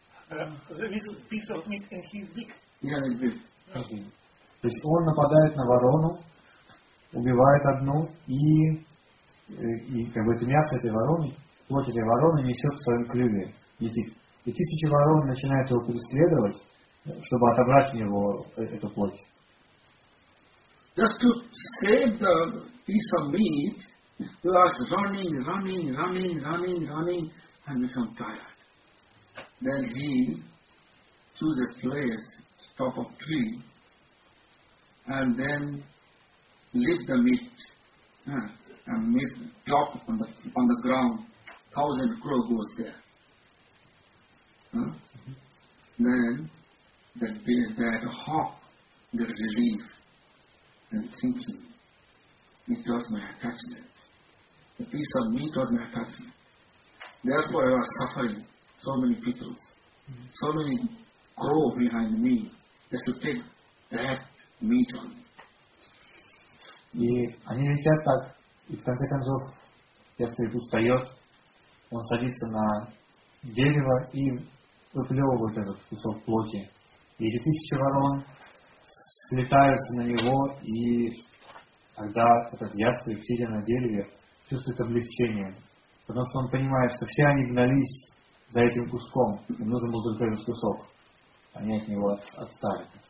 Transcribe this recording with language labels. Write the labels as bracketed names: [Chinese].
[English] There is a little piece of meat in his beak. Okay. [Russian] То есть он нападает на ворону, убивает одну, и как бы это мясо этой вороны, плоть этой вороны несет в своем клюве. Летит. И тысячи ворон начинают его преследовать, чтобы отобрать у него эту плоть. [English] Just to save the piece of meat, you are running, and become tired. Then he choose a place, top of tree, and then lift the meat, and meat drop on the ground. 1,000 crow goes there. Then that hawk gets relief and thinking, it was my attachment. The piece of meat was my attachment. Therefore I was suffering. So many people, so many crow behind me, just to take that meat on me. [Russian] И они летят так, и в конце концов ястреб устает, он садится на дерево и выплевывает этот кусок плоти. И эти тысячи ворон слетают на него, и тогда этот ястреб, сидя на дереве, чувствует облегчение, потому что он понимает, что все они гнались за этим куском, им нужен был только этот кусок, они от него отстали.